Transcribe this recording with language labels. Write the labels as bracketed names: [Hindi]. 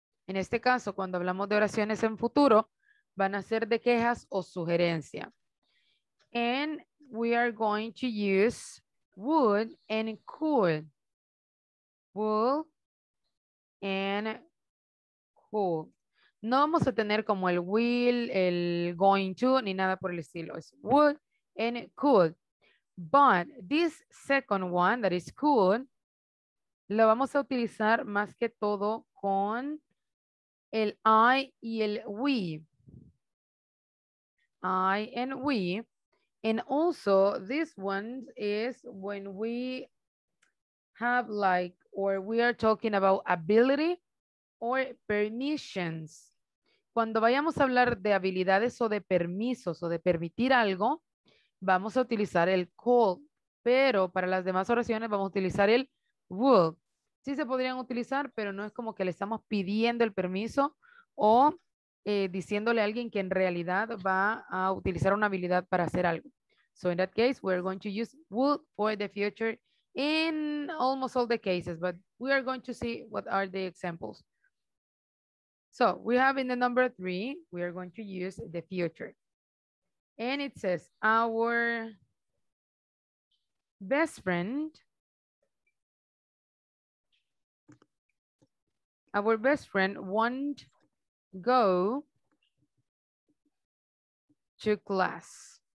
[Spanish] En este caso, cuando hablamos de oraciones en futuro, van a ser de quejas o sugerencia. [English] And we are going to use would and could. Would and could. [Spanish] No vamos a tener como el will, el going to, ni nada por el estilo. [English] It's would and could. But this second one, that is could, lo vamos a utilizar más que todo con el I y el we. I and we, and also this one is when we have like, or we are talking about ability or permissions. [Spanish] Cuando vayamos a hablar de habilidades o de permisos o de permitir algo, vamos a utilizar el could, pero para las demás oraciones vamos a utilizar el would. Sí se podrían utilizar, pero no es como que le estamos pidiendo el permiso o diciéndole a alguien que en realidad va a utilizar una habilidad para hacer algo. [English] So in that case, we're going to use would for the future in almost all the cases, but we are going to see what are the examples. So we have in the number three, we are going to use the future. And it says our best friend, won't go to class.